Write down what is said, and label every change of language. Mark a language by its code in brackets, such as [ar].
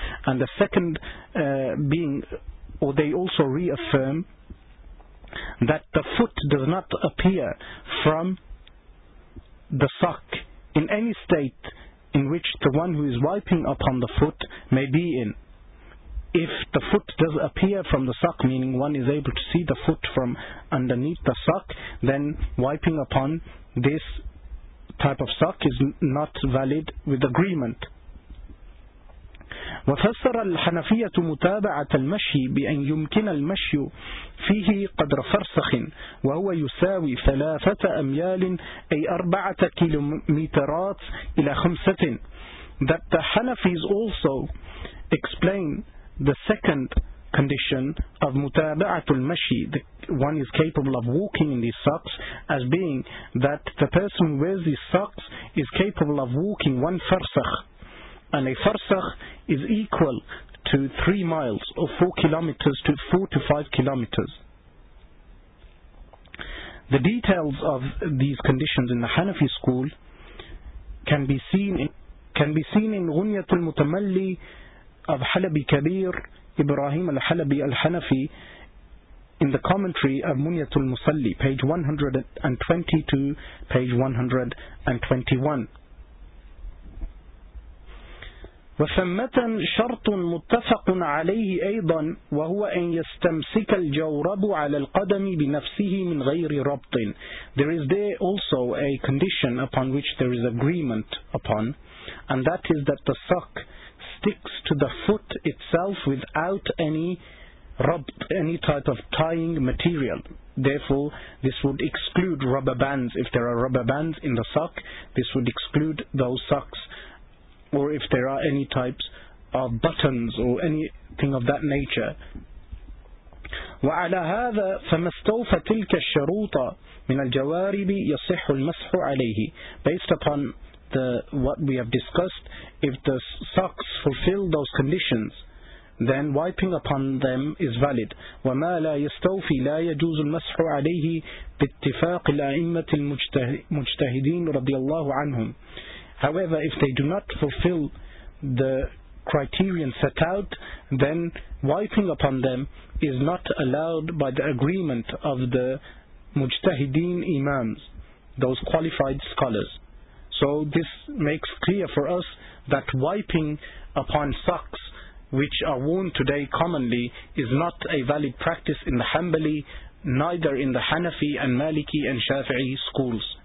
[en] And the second being, or they also reaffirm, that the foot does not appear from the sock in any state in which the one who is wiping upon the foot may be in. If the foot does appear from the sock, meaning one is able to see the foot from underneath the sock, then wiping upon this type of sock is not valid with agreement. [ar] وفسر الحنفية متابعة المشي بأن يمكن المشي فيه قدر فرسخ وهو يساوي 3 أميال أي 4 كيلومترات إلى 5. [en] That the Hanafis also explain the second condition of [ar] متابعة المشي, [en] one is capable of walking in these socks, as being that the person who wears these socks is capable of walking 1 farsakh. And a farsakh is equal to 3 miles or 4 kilometers to 4 to 5 kilometers. The details of these conditions in the Hanafi school can be seen in Ghunyatul Mutamalli of Halabi Kabir, Ibrahim al-Halabi al-Hanafi, in the commentary of Munyatul Musalli, page 120 to page 121. [ar] وثمة شرط متفق عليه أيضا وهو أن يستمسك الجورب على القدم بنفسه من غير ربط. [en] There is there also a condition upon which there is agreement upon, and that is that the sock sticks to the foot itself without any ربط, any type of tying material. Therefore, this would exclude rubber bands. If there are rubber bands in the sock, this would exclude those socks. Or if there are any types of buttons or anything of that nature. [ar] وعلى هذا فما استوفى تلك الشروط من الجوارب يصح المسح عليه. [en] Based upon what we have discussed, if the socks fulfill those conditions, then wiping upon them is valid. [ar] وما لا يستوفي لا يجوز المسح عليه باتفاق الأئمة المجتهدين رضي الله عنهم. [en] However, if they do not fulfill the criterion set out, then wiping upon them is not allowed by the agreement of the mujtahideen imams, those qualified scholars. So this makes clear for us that wiping upon socks, which are worn today commonly, is not a valid practice in the Hanbali, neither in the Hanafi and Maliki and Shafi'i schools.